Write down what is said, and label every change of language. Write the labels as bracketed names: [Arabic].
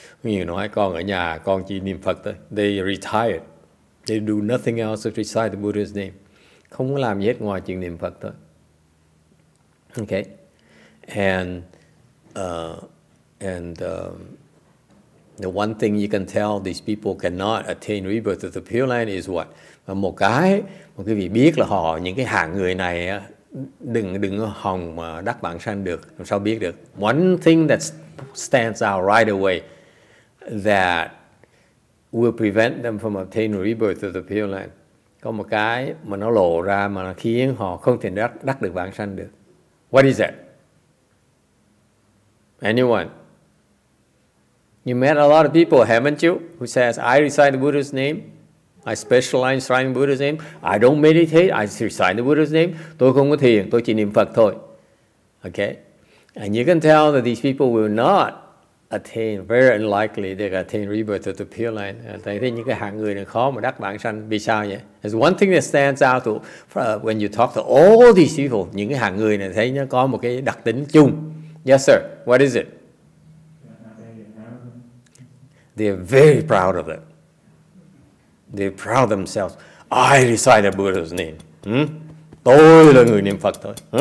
[English] You know, I [Vietnamese] con ở nhà, con chỉ niệm Phật thôi. [English] They retired. They do nothing else but recite the Buddha's name. [Vietnamese] Không có làm gì hết ngoài chuyện niệm Phật thôi. [English] Okay. The one thing you can tell these people cannot attain rebirth of the Pure Land is what? [Vietnamese] Và một cái, một cái vị biết là họ, những cái hạng người này á, đừng hòng mà đắc vãng sanh được. Làm sao biết được? [English] One thing that stands out right away that will prevent them from obtaining rebirth of the Pure Land. [Vietnamese] Có một cái mà nó lộ ra mà nó khiến họ không thể đắc được vãng sanh được. [English] What is that? Anyone? You met a lot of people, haven't you? Who says, I recite the Buddha's name. I specialize in reciting Buddha's name. I don't meditate. I recite the Buddha's name. [Vietnamese] Tôi không có thiền. Tôi chỉ niệm Phật thôi. [English] Okay? And you can tell that these people will not attain, very unlikely they attain rebirth of the Pure Land. [Vietnamese] Tại vì những cái hạng người này khó mà đắc vãng sanh. Vì sao vậy? [English] There's one thing that stands out when you talk to all these people. [Vietnamese] Những cái hạng người này thấy nó có một cái đặc tính chung. [English] Yes, sir. What is it? They're very proud of it. They're proud of themselves. I recite the Buddha's name. [Vietnamese] Tôi là người niệm Phật thôi.